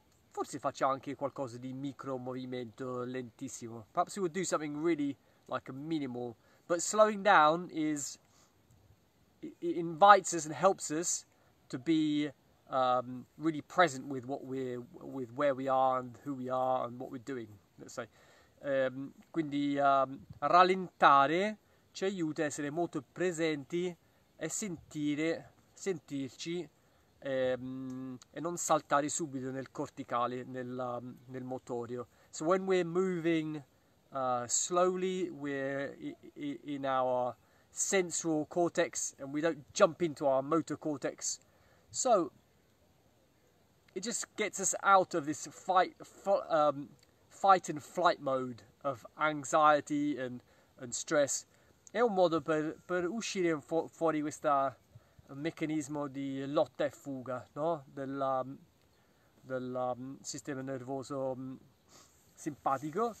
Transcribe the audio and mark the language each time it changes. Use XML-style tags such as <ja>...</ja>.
<it>Forse facciamo anche qualcosa di micro movimento lentissimo.</it> <en>Perhaps we would do something really like minimal. But slowing down is. It invites us and helps us to be really present with where we are and who we are and what we're doing, let's say.</en> <it>Quindi rallentare ci aiuta a essere molto presenti e sentirci e non saltare subito nel corticale, nel motorio.</it> <en>So when we're moving slowly, we're in our sensorial cortex and we don't jump into our motor cortex. So it just gets us out of this fight and flight mode of anxiety and stress.</en> <it>È un modo per uscire fu fuori questo meccanismo di lotta e fuga, no? Del sistema nervoso simpatico.</it>